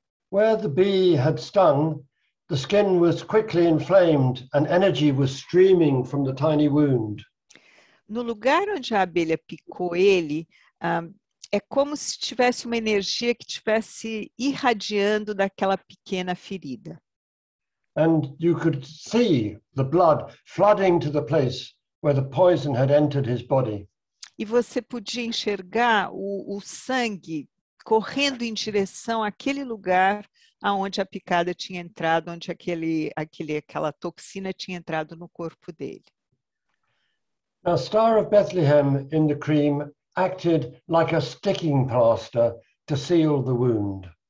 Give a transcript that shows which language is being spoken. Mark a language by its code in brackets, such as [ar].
[en] Where the bee had stung, the skin was quickly inflamed and energy was streaming from the tiny wound. [pt] No lugar onde a abelha picou ele, é como se tivesse uma energia que estivesse irradiando daquela pequena ferida. [en] And you could see the blood flooding to the place where the poison had entered his body. [pt] E você podia enxergar o sangue correndo em direção àquele lugar aonde a picada tinha entrado, onde aquela toxina tinha entrado no corpo dele. [en] The Star of Bethlehem in the cream acted like a sticking plaster to seal the wound.